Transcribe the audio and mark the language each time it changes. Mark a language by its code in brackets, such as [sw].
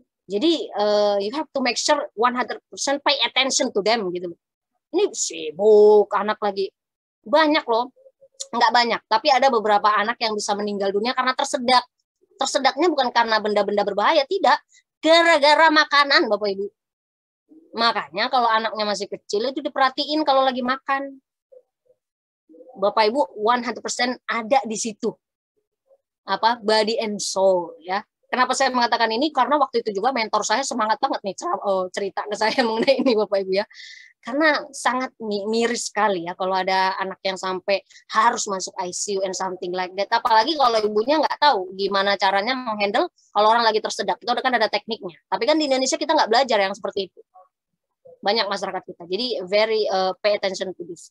[id] Jadi [en] you have to make sure 100% pay attention to them [id] gitu. Ini sibuk anak lagi. Banyak loh, nggak banyak, tapi ada beberapa anak yang bisa meninggal dunia karena tersedak. Tersedaknya bukan karena benda-benda berbahaya, tidak. Gara-gara makanan, Bapak Ibu. Makanya kalau anaknya masih kecil itu diperhatiin kalau lagi makan. Bapak Ibu, 100% ada di situ. Apa? [en] Body and soul, [id] ya. Kenapa saya mengatakan ini? Karena waktu itu juga mentor saya semangat banget nih cerita ke saya mengenai ini Bapak Ibu ya. Karena sangat miris sekali ya kalau ada anak yang sampai harus masuk ICU [en] and something like that. [id] Apalagi kalau ibunya nggak tahu gimana caranya menghandle kalau orang lagi tersedak. Itu kan ada tekniknya. Tapi kan di Indonesia kita nggak belajar yang seperti itu. Banyak masyarakat kita. Jadi [en] very pay attention to this.